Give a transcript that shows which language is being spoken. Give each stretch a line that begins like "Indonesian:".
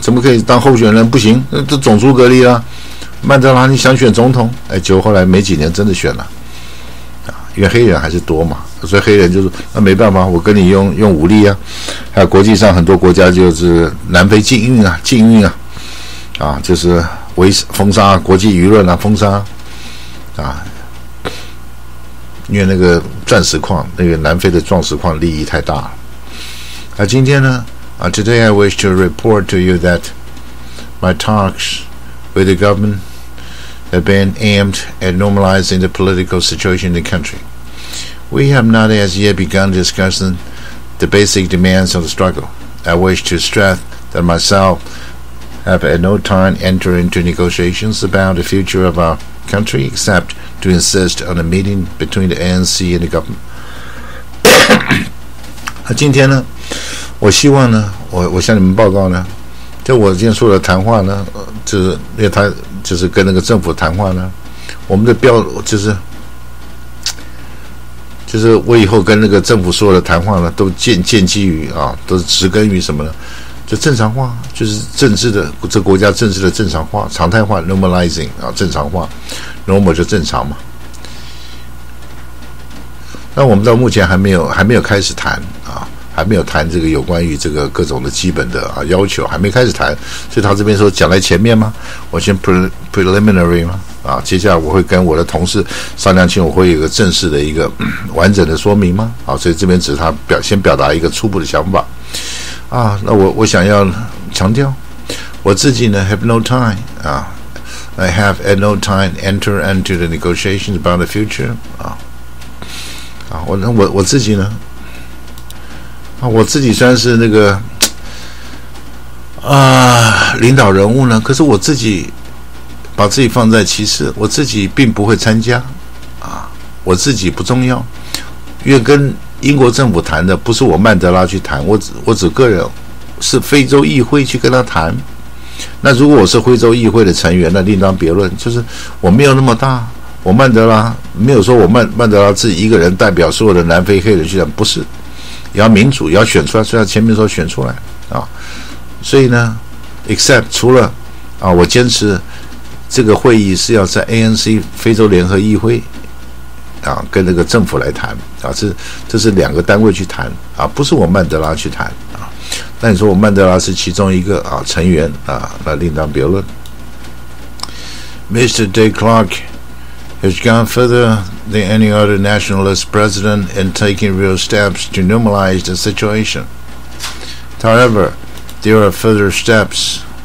Chinese: 怎么可以当候选人？不行，这种族隔离啦，曼德拉你想选总统，结果后来没几年真的选了，因为黑人还是多嘛，所以黑人就是那没办法，我跟你用武力啊，还有国际上很多国家就是南非禁运啊，啊就是围封杀国际舆论啊，封杀啊，因为那个钻石矿，那个南非的钻石矿利益太大了。那今天呢啊
English: ，Today I wish to report to you that my talks with the government have been aimed at normalizing the political situation in the country. We have not as yet begun discussing the basic demands of the struggle. I wish to stress that myself have at no time entered into negotiations about the future of our country except to insist on a meeting between the ANC and the government.
Chinese: 今天呢，我希望呢，我向你们报告呢，就我今天说的谈话呢，就是因为他就是跟那个政府谈话呢，我们的标就是。就是我以后跟那个政府说的谈话呢，都建基于啊，都是植根于什么呢？就正常化，就是政治的这国家政治的正常化、常态化 （normalizing） 啊，正常化 ，normal 就正常嘛。那我们到目前还没有开始谈啊，还没有谈这个有关于这个各种的基本的啊要求，还没开始谈，所以他这边说讲在前面吗？我先 preliminary 吗？啊，接下来我会跟我的同事商量清，我会有一个正式的一个完整的说明吗？啊，所以这边只是他先表达一个初步的想法。啊，那我想要强调，我自己呢
English: have no time 啊 ，I have at no time enter into the negotiations about the future 啊。
Chinese: 啊，我自己呢？啊，我自己算是那个啊领导人物呢，可是我自己。把自己放在其次，我自己并不会参加，啊，我自己不重要，因为跟英国政府谈的不是我曼德拉去谈，我只个人是非洲议会去跟他谈，那如果我是非洲议会的成员，那另当别论，就是我没有那么大，我曼德拉没有说我曼德拉自己一个人代表所有的南非黑人去谈，不是，也要民主，也要选出来，虽然前面说选出来啊，所以呢 ，except 除了啊，我坚持。这个会议是要在 ANC 非洲联合议会啊，跟那个政府来谈啊，这是两个单位去谈啊，不是我曼德拉去谈啊。那你说我曼德拉是其中一个啊成员啊，那另当别论。
English: Mr. De Klerk has gone further than any other nationalist president in taking real steps to normalize the situation. However, there are further steps